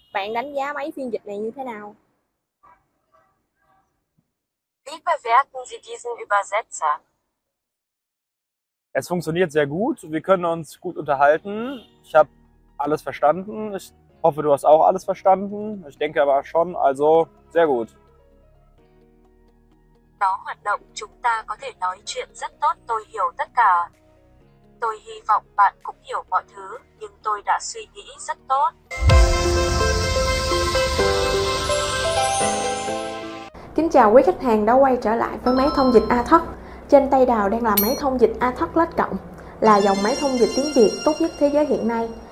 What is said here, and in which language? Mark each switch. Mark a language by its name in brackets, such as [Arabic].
[Vietnamese] bạn đánh giá mấy phiên dịch này như thế nào? [German] Bewerten Sie diesen Übersetzer? Es funktioniert sehr gut. Wir können uns gut unterhalten. Ich habe alles verstanden. Ich hoffe, du hast auch alles verstanden. Ich denke aber schon, also sehr gut. [Vietnamese] Nó hoạt động, chúng ta có thể nói chuyện rất tốt, tôi hiểu tất cả. Tôi hy vọng bạn cũng hiểu mọi thứ, nhưng tôi đã suy nghĩ rất tốt. Kính chào quý khách hàng đã quay trở lại với máy thông dịch Atok. Trên tay Đào đang là máy thông dịch Atok Lite Cộng, là dòng máy thông dịch tiếng Việt tốt nhất thế giới hiện nay.